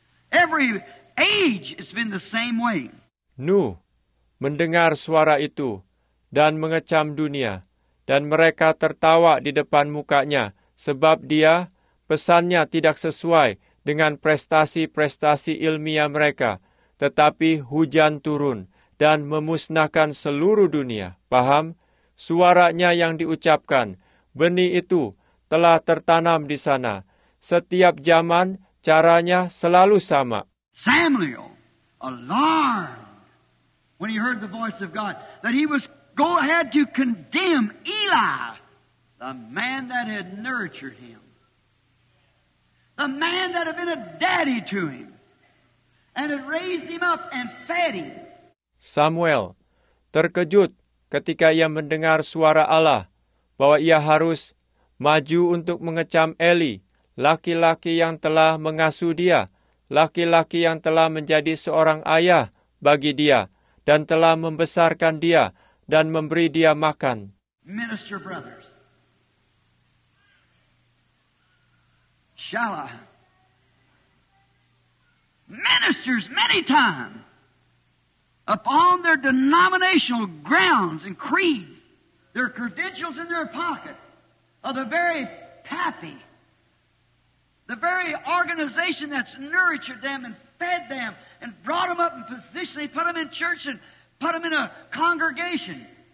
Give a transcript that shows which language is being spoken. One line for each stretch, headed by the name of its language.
English: Every age it's been the same way.
Indonesian: Nuh mendengar suara itu dan mengecam dunia. Dan mereka tertawa di depan mukanya sebab dia pesannya tidak sesuai dengan prestasi-prestasi ilmiah mereka. Tetapi hujan turun dan memusnahkan seluruh dunia. Paham? Suaranya yang diucapkan, benih itu telah tertanam di sana. Setiap zaman, caranya selalu sama.
English: Samuel, alarmed when he heard the voice of God, that he was had to condemn Eli, the man that had nurtured him, the man that had been a daddy to him, and had raised him up and fed him.
Indonesian: Samuel terkejut ketika ia mendengar suara Allah bahwa ia harus maju untuk mengecam Eli, laki-laki yang telah mengasuh dia, laki-laki yang telah menjadi seorang ayah bagi dia dan telah membesarkan dia dan memberi dia makan.
English: Minister brothers, shall I? Ministers many times upon their denominational grounds and creeds, their credentials in their pocket, of the very pappy, the very organization that's nurtured them and fed them and brought them up in position, they put them in church and put them in a congregation.